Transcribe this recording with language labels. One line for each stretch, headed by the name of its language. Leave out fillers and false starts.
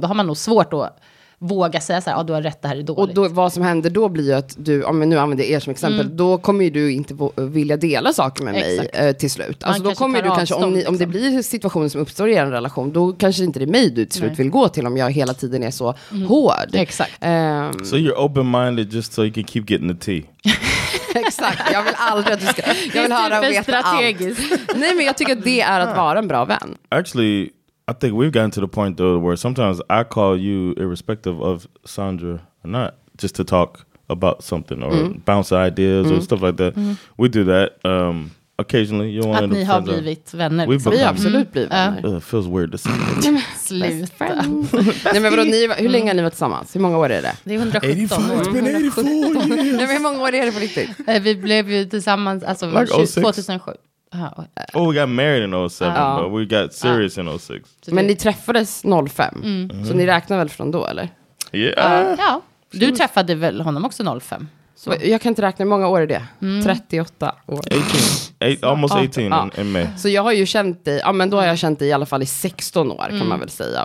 Swedish: Då har man nog svårt att våga säga så här, du har rätt, det här är dåligt. Och då, vad som händer då blir ju att du, om jag nu använder er som exempel, då kommer ju du inte vilja dela saker med mig till slut. Man alltså då kommer du kanske, om, ni, om det blir situationen som uppstår i en relation, då kanske inte det är mig du till slut vill gå till om jag hela tiden är så hård. Exakt.
English: So you're open-minded just so you can keep getting the tea.
Swedish: Exakt, jag vill aldrig att du ska, jag vill höra och veta strategiskt. Allt. Nej men jag tycker att det är att vara en bra vän.
English: Actually, I think we've gotten to the point though where sometimes I call you irrespective of Sandra or not, just to talk about something or bounce ideas or stuff like that. We do that occasionally. You want to have
Swedish: blivit vänner. Vi har absolut blivit vänner.
English: It feels weird to say.
Swedish: Sluta. Nej men vadå, hur länge har ni varit tillsammans? Hur många år är det? Det är 117.
English: It's been 84 years.
Swedish: Nej, hur många år är det på riktigt? Vi blev ju tillsammans alltså like 2007.
English: Oh, we got married in 07, but we got serious in 06.
Swedish: Men ni träffades 05, så ni räknar väl från då, eller? Ja, du träffade väl honom också 05. Så. Jag kan inte räkna, hur många år är det? 38 år.
English: 18. Almost 18 in May.
Swedish: Så jag har ju känt dig, ja men då har jag känt dig i alla fall i 16 år, kan man väl säga.